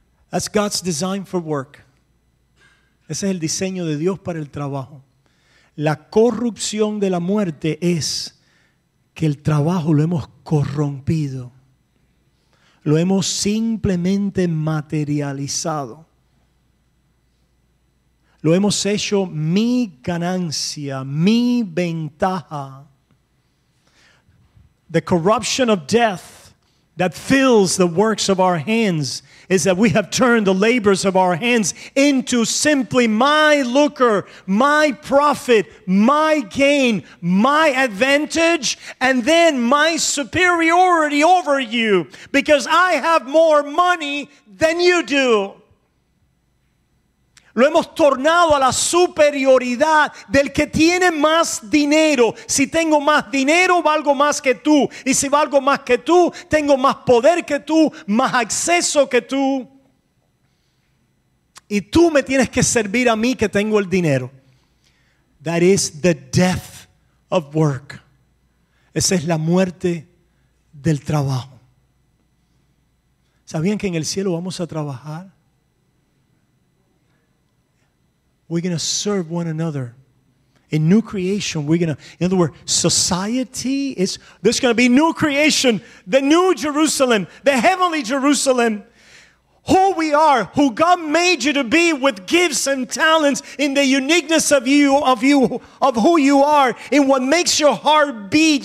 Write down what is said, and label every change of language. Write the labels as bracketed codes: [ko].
[en] That's God's design for work. [es] Ese es el diseño de Dios para el trabajo. La corrupción de la muerte es que el trabajo lo hemos corrompido. Lo hemos simplemente materializado. Lo hemos hecho mi ganancia, mi ventaja. [en] The corruption of death that fills the works of our hands is that we have turned the labors of our hands into simply my lucre, my profit, my gain, my advantage, and then my superiority over you because I have more money than you do. [es] Lo hemos tornado a la superioridad del que tiene más dinero. Si tengo más dinero, valgo más que tú. Y si valgo más que tú, tengo más poder que tú, más acceso que tú. Y tú me tienes que servir a mí que tengo el dinero. [en] That is the death of work. [es] Esa es la muerte del trabajo. ¿Sabían que en el cielo vamos a trabajar? [en] We're going to serve one another. In new creation, we're going to, in other words, society is, there's going to be new creation, the new Jerusalem, the heavenly Jerusalem. Who we are, who God made you to be with gifts and talents in the uniqueness of who you are, in what makes your heart beat.